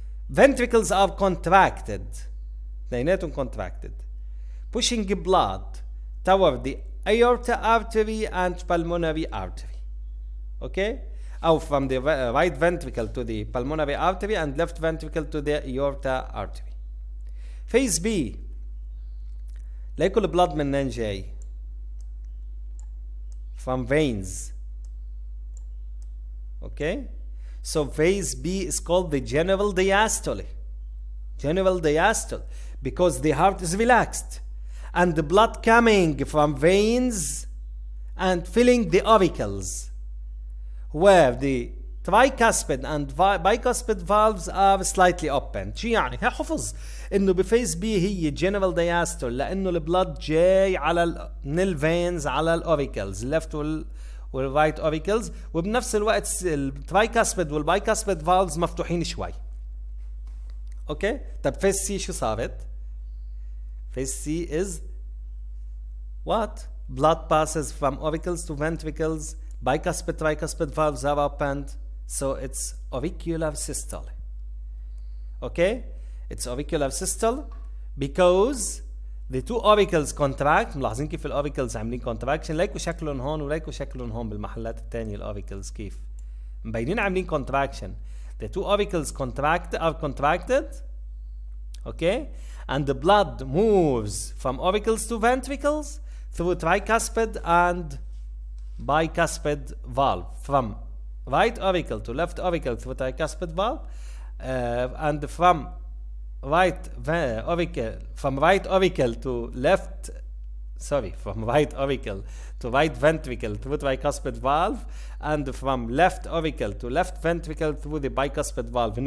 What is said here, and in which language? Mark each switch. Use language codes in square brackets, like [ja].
[en] Ventricles are contracted. اثنيناتهم contracted. Pushing blood toward the aorta artery and pulmonary artery. Okay? Or from the right ventricle to the pulmonary artery and left ventricle to the aorta artery. Phase B. [ar] ليكو البلد من نين جاي؟ [en] From veins. Okay? So phase B is called the general diastole. General diastole. Because the heart is relaxed. And the blood coming from veins and filling the auricles. Where the tricuspid and bicuspid valves are slightly open. [ar] شو يعني؟ هي حفظ انه بفيس بي هي general diastole لانه البلد جاي على من الفينز على الاوريكلز left والرايت اوريكلز وبنفس الوقت التريكاسبيد والبايكاسبيد فالفز مفتوحين شوي. اوكي؟ طيب فيس سي شو صارت؟ فيس سي از وات؟ [en] blood passes from auricles to ventricles. Bicuspid, tricuspid valves are opened, so it's auricular systole. Okay? It's auricular systole because the two auricles contract. [ar] ملاحظين كيف الاوريكلز عاملين contraction؟ ليكوا شكلهم هون وليكوا شكلهم هون بالمحلات التانية الاوريكلز كيف؟ مبينين عاملين contraction. [en] The two auricles contract are contracted. Okay? And the blood moves from auricles to ventricles through tricuspid and bicuspid valve from right auricle to left auricle through tricuspid valve and from right auricle from right auricle to right ventricle through tricuspid valve and from left auricle to left ventricle through the bicuspid valve.